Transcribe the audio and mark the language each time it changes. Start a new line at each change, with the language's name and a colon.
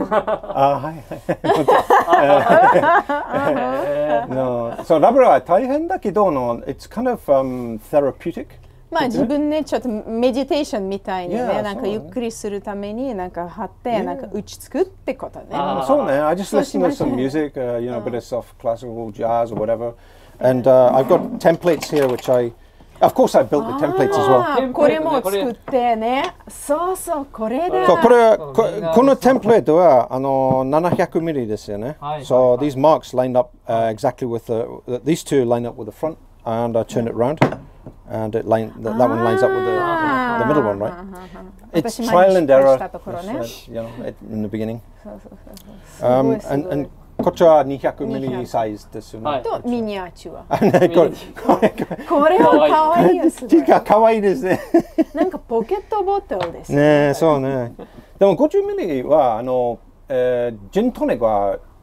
Japanese: ね、あ、はいはいのそう、ラブラは大変だけどの
English: It's kind of therapeutic
Japanese: まあ、自分ね、ちょっとメディテーションみたいにね、なんかゆっくりするために、なんか張って、なんか打ち着くってことね。あ、そうね。
English: I just listen to some music, you know, bit of classical jazz or whatever. And I've got templates here, which I... Of course, I built the templates as well.
Japanese: これも作ってね。そうそう、これだ。そう、これ、このテンプレートは、あの、700ミリですよね。
English: So these marks lined up exactly with the... These two line up with the front, and I turn it round. And it line, that, that one lines up with the middle one, right? It's trial and error, just, you know, it, in the beginning.
Japanese: And こっちは200ミリサイズですよね。とミニアチュア。これは可愛いですね。か可愛いですね。なんかポケットボトルですね。ね、そうね。でも50ミリはあの、ジントネックは。